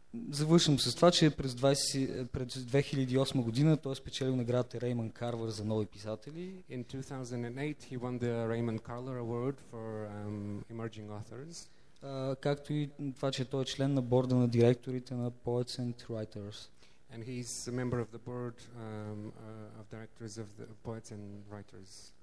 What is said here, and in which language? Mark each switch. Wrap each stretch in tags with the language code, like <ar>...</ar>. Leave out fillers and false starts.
<bg>Завършвам с това, че през 2008 година той е спечелил наградата Рейман Карвър за нови писатели.</bg> <en>In 2008 he won the Raymond Carver Award for emerging authors.</en> <bg>Както и това, че той е член на борда на директорите на Poets and Writers.</bg> <en>And he's a member of the board of directors of the Poets and Writers.</en>